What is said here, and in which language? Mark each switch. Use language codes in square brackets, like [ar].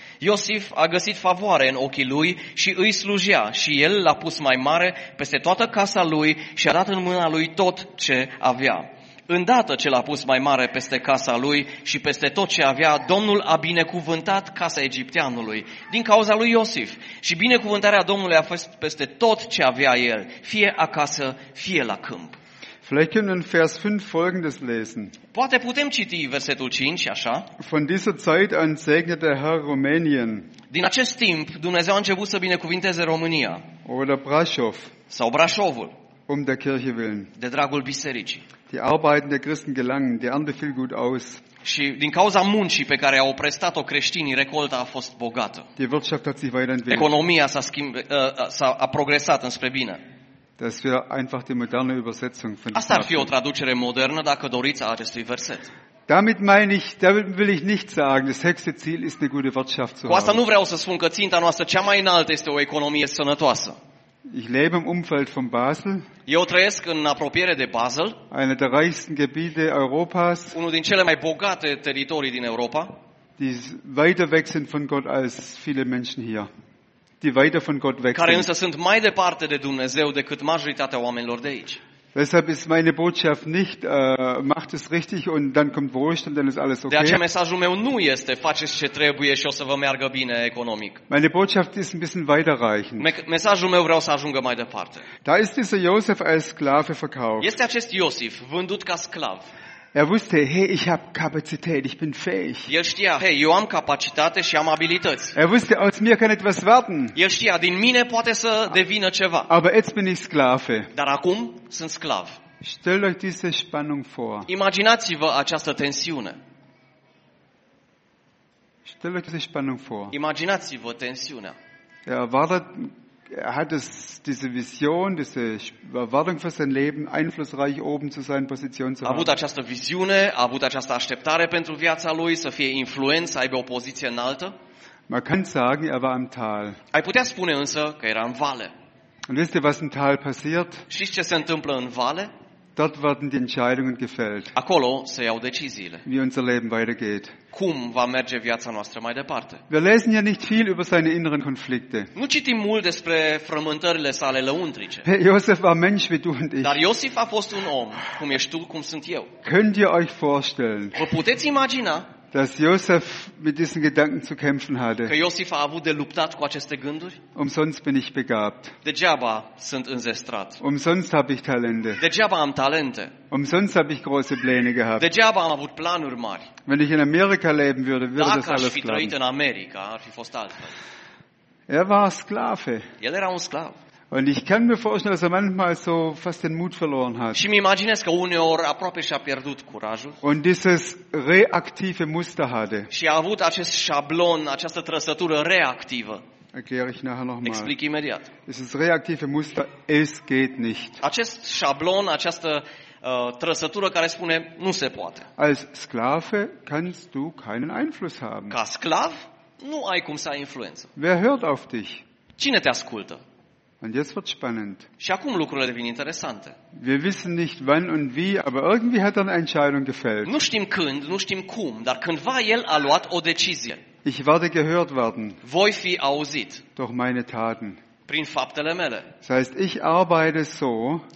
[ro] Iosif a găsit favoare în ochii lui și îi slujea și el l-a pus mai mare peste toată casa lui și a dat în mâna lui tot ce avea. Îndată ce l-a pus mai mare peste casa lui și peste tot ce avea, Domnul a binecuvântat casa egipteanului din cauza lui Iosif. Și binecuvântarea Domnului a fost peste tot ce avea el, fie acasă, fie la câmp. [de] Vielleicht können wir in Vers 5 folgendes lesen. [ro] Poate putem citi versetul 5, așa? [de] Von dieser Zeit an segnete Herr Rumänien. [ro] Din acest timp, Dumnezeu a început să binecuvinteze România. [de] Oder Brașov. [ro] Sau Brașovul. [de] Um der Kirche willen. [ro] De dragul bisericii. [de] Die Arbeiten der Christen gelangen, die Ernte fiel gut aus. [ro] Și din cauza muncii pe care au prestat-o creștinii, recolta a fost bogată. [de] Die Wirtschaft hat sich weiterentwickelt. [ro] Economia s-a progresat înspre bine. [de] Das wäre einfach die moderne Übersetzung von. [ro] Asta ar fi o traducere modernă dacă doriți a acestui verset. [de] Damit meine ich, damit will ich nicht sagen, das höchste Ziel ist eine gute Wirtschaft zu haben. [ro] Cu asta nu vreau să spun că ținta noastră cea mai înaltă este o economie sănătoasă. [de] Ich lebe im Umfeld von Basel. [ro] Eu trăiesc în apropiere de Basel. [de] Eine der reichsten Gebiete Europas. [ro] Unul din cele mai bogate teritorii din Europa. [de] Die weiter weg sind von Gott als viele Menschen hier. Die weiter von Gott weg. [ro] Care însă sunt mai departe de Dumnezeu decât majoritatea oamenilor de aici. [de] Deshalb ist meine Botschaft nicht macht es richtig und dann kommt Wohlstand, dann ist alles okay. [ro] De aceea mesajul meu nu este faceți ce trebuie și o să vă meargă bine economic. [de] Meine Botschaft ist ein bisschen weiterreichend. [ro] Mesajul meu vreau să ajungă mai departe. [de] Da ist dieser Josef als Sklave verkauft. [ro] Este acest Iosif vândut ca sclav. [de] Er wusste, hey, ich habe Kapazität, ich bin fähig. [ro] El știa, hey, eu am capacitate și am abilități. [de] Er wusste, aus mir kann etwas werden. [ro] El știa, din mine poate să devină ceva. [de] Aber jetzt bin ich Sklave. [ro] Dar acum sunt sclav. [de] Stellt euch diese Spannung vor. [ro] Imaginați-vă această tensiune. [de] Stellt euch diese Spannung vor. [ro] Imaginați-vă tensiunea. [de] Er erwartet, er hat es, diese Vision, diese Erwartung für sein Leben, einflussreich oben zu sein, Position zu haben. [ro] A avut această viziune, a avut această așteptare pentru viața lui, să fie influent, să aibă o poziție înaltă. [de] Man kann sagen, er war im Tal. [ro] Ai putea spune însă că era în vale. [de] Und wisst ihr, was im Tal passiert? [ro] Știți ce se întâmplă în vale? [de] Dort werden die Entscheidungen gefällt. [ro] Acolo se iau deciziile. [de] Wie unser Leben weitergeht. [ro] Cum va merge viața noastră mai departe. [de] Wir lesen ja nicht viel über seine inneren Konflikte. [ro] Nu citim mult despre frământările sale lăuntrice. [de] Iosif war Mensch wie du und ich. [ro] Dar Iosif a fost un om, cum ești tu, cum sunt eu. [de] Könnt ihr euch vorstellen? [ro] Vă puteți imagina? [de] Dass Josef mit diesen Gedanken zu kämpfen hatte. [ro] Că Iosif a avut de luptat cu aceste gânduri. [de] Umsonst bin ich begabt. [ro] Degeaba sunt înzestrat. [de] Umsonst habe ich Talente. [ro] Degeaba am talente. [de] Umsonst habe ich große Pläne gehabt. [ro] Degeaba am avut planuri mari. [de] Wenn ich in Amerika leben würde, würde das alles klappen. [ro] Dacă aș fi trăit în America, ar fi fost altfel. [de] Er war Sklave. [ro] El era un sclav. [de] Und ich kann mir vorstellen, dass er manchmal so fast den Mut verloren hat. [ro] Și mi imaginez că uneori aproape și-a pierdut curajul. [de] Und dieses reaktive Muster hatte. [ro] Și a avut acest șablon, această trăsătură reactivă. [de] Erkläre ich nachher noch mal. [ro] Explic imediat. [de] Dieses reaktive Muster, es geht nicht. [ro] Acest șablon, această trăsătură care spune nu se poate. [de] Als Sklave kannst du keinen Einfluss haben. [ro] Ca sclav nu ai cum să ai influență. [de] Wer hört auf dich? [ro] Cine te ascultă? [de] Und jetzt wird spannend. [ro] Și acum lucrurile devin interesante. [de] Wir wissen nicht wann und wie, aber irgendwie hat er eine Entscheidung gefällt. [ro] Nu știm când, nu știm cum, dar cândva el a luat o decizie. [de] Ich werde gehört werden. [ro] Voi fi auzit. [de] Durch meine Taten. [ro] Prin faptele mele. [de] Das heißt, ich arbeite so.